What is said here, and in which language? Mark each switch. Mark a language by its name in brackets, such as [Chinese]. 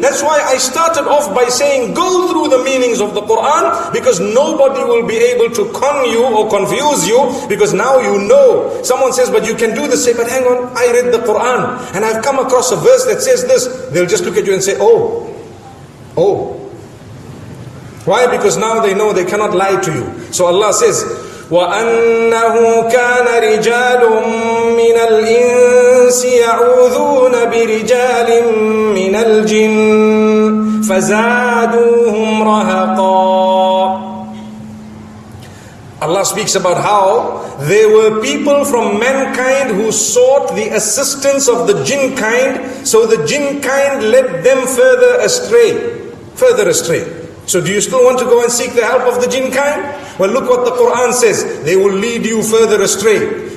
[English] That's why I started off by saying, go through the meanings of the Quran, because nobody will be able to con you or confuse you, because now you know. Someone says, but you can do this. Say, but hang on, I read the Quran and I've come across a verse that says this. They'll just look at you and say, oh. Why? Because now they know they cannot lie to you. So Allah says, [Arabic] وَأَنَّهُ كَانَ رِجَالٌ مِّنَ الْإِنسِ يَعُوذُونَ بِرِجَالٍ مِّنَ الْجِنِّ فَزَادُوهُمْ رَهَقًا. [English] Allah speaks about how there were people from mankind who sought the assistance of the jinn kind, so the jinn kind led them further astray. So do you still want to go and seek the help of the jinn kind? Well, look what the Quran says, they will lead you further astray.